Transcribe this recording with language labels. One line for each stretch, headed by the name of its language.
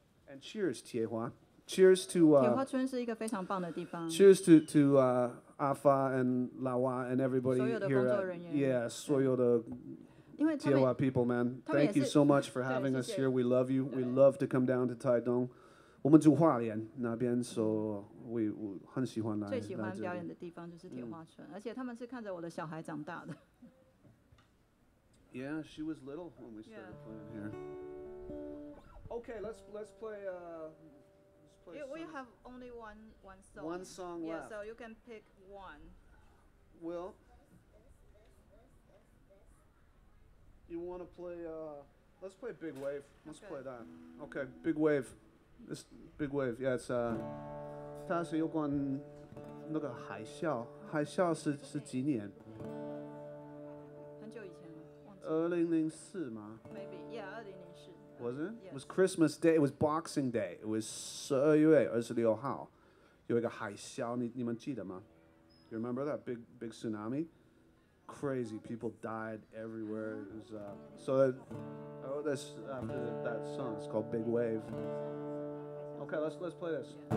English: And cheers, Tiehua. Cheers to... Cheers to Afa and Lawa and everybody here at... Yeah,
Chinese: 所有的
English: Tiehua people, man. Thank you so much for having us here. We love you. We love to come down to Taidong.
Chinese: 我们住花莲那边,
English: so we
Chinese: 很喜欢来这里。最喜欢表演的地方就是铁花村，而且他们是看着我的小孩长大的。
English: Yeah, she was little when we started playing here. Okay, let's play... We have only one song. One song left. Yeah, so you can pick one. Well... You want to play, let's play Big Wave. Let's play that. Okay, Big Wave. This Big Wave, yeah, it's,
Chinese: 它是有关那个海啸。海啸是几年？很久以前了，忘记了。 2004吗？
English: Maybe, yeah, 2004. Was it? Yes. It was Christmas Day, it was Boxing Day. It was
Chinese: 12月26号。有一个海啸，你们记得吗？
English: You remember that big tsunami? Crazy people died everywhere. It was, so that, oh, this after that song, it's called Big Wave. Okay, let's play this.